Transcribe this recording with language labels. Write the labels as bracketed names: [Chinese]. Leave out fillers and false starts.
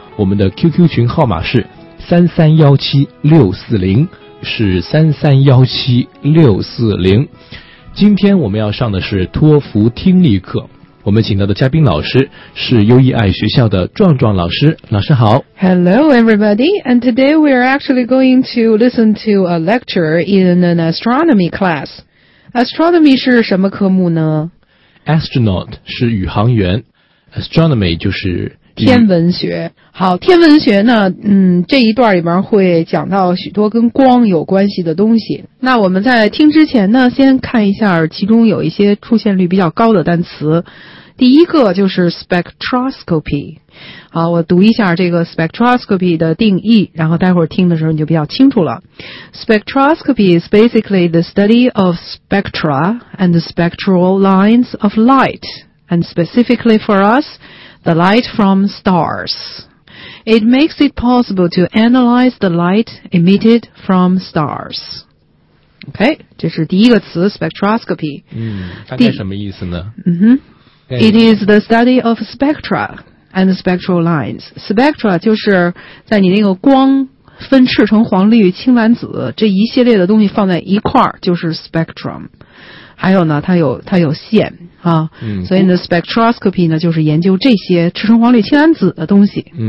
[Chinese] 我们的 QQ 群号码是3317640，是3317640。今天我们要上的是托福听力课，我们请到的嘉宾老师是优异爱学校的壮壮老师。老师好。 [English] Hello everybody, and today we are actually going to listen to a lecture in an astronomy class. [Chinese] Astronomy 是什么科目呢？ Astronaut 是宇航员， Astronomy 就是天文学。好，天文学呢，这一段里面会讲到许多跟光有关系的东西。那我们在听之前呢，先看一下其中有一些出现率比较高的单词。第一个就是 spectroscopy。好，我读一下这个 spectroscopy 的定义，然后待会儿听的时候你就比较清楚了。 [English] Spectroscopy is basically the study of spectra and spectral lines of light, and specifically for us,The light from stars. It makes it possible to analyze the light emitted from stars. [Chinese] OK, 这是第一个词 spectroscopy. 大概什么意思呢？ [English] It is the study of spectra and spectral lines. [Chinese] Spectra 就是在你那个光分赤橙黄绿青蓝紫这一系列的东西放在一块儿就是 spectrum。还有呢，它有线啊，所以呢 spectroscopy 呢就是研究这些赤橙黄绿青蓝紫的东西。